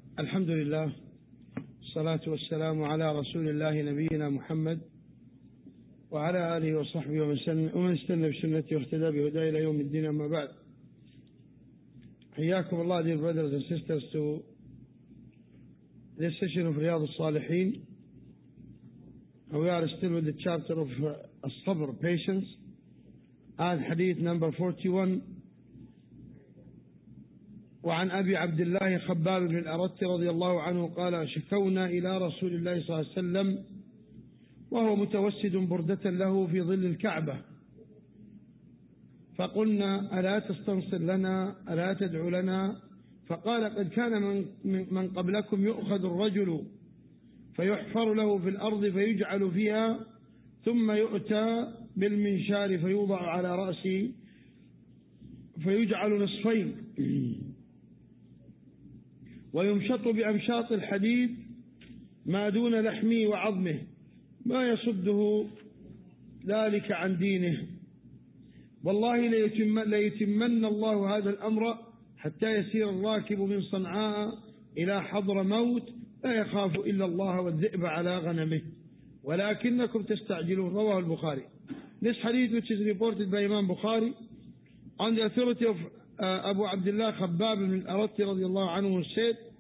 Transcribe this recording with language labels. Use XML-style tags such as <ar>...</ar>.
<ar>الحمد لله، الصلاة والسلام على رسول الله نبينا محمد وعلى آله وصحبه ومن استنى بسنته واهتدى بهدى إلى يوم الدين، أما بعد. حياكم الله</ar> <en>dear brothers and sisters to this session of رياض الصالحين. We are still with the chapter of الصبر, patience, and حديث number 41.</en> <ar>وعن أبي عبد الله خباب بن الأرت رضي الله عنه قال: شكونا إلى رسول الله صلى الله عليه وسلم وهو متوسد بردة له في ظل الكعبة، فقلنا: ألا تستنصر لنا؟ ألا تدعو لنا؟ فقال: قد كان من قبلكم يؤخذ الرجل فيحفر له في الأرض فيجعل فيها، ثم يؤتى بالمنشار فيوضع على رأسي فيجعل نصفين، ويمشط بأمشاط الحديد ما دون لحمه وعظمه، ما يصده ذلك عن دينه. والله ليتمن الله هذا الأمر حتى يسير الراكب من صنعاء إلى حضر موت لا يخاف إلا الله والذئب على غنمه، ولكنكم تستعجلون. رواه البخاري.</ar> <en>This hadith which is reported by Imam Bukhari on the authority of Abu Abdullah Khabbab ibn al-Arat</en> <ar>رضي الله عنه</ar> <en>said,</en>